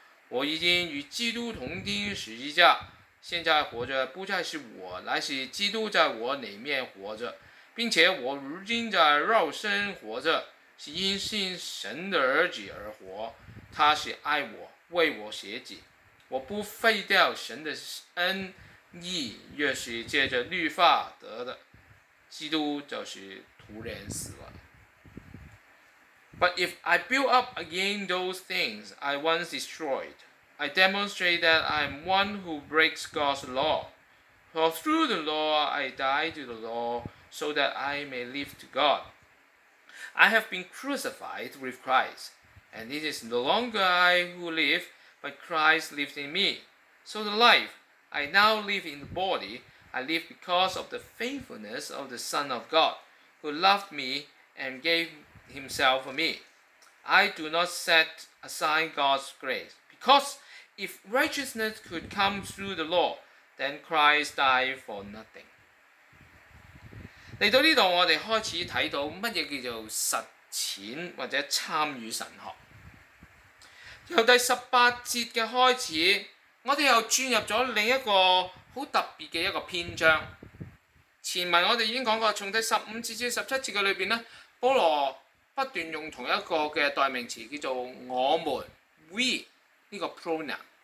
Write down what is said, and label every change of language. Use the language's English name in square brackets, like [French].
[Chinese] 我已经与基督同钉十字架，现在活着不再是我，乃是基督在我里面活着，并且我如今在肉身活着，是因信神的儿子而活，他是爱我，为我舍己。我不废掉神的恩义，越是借着律法得的，基督就是徒然死了。 [English] But if I build up again those things I once destroyed, I demonstrate that I am one who breaks God's law. For through the law I die to the law, so that I may live to God. I have been crucified with Christ, and it is no longer I who live, but Christ lives in me. So the life I now live in the body, I live because of the faithfulness of the Son of God, who loved me and gave himself for me. I do not set aside God's grace, because if righteousness could come through the law, then Christ died for nothing. [Chinese] 来到这里，我们开始看到什么叫做实践或者参与神学。由第十八节的开始，我们又转入了另一个很特别的一个篇章。前文我们已经讲过，从第十五节至十七节的里面，保罗不斷用同一個嘅代名詞叫做我們 we 呢個 pronoun。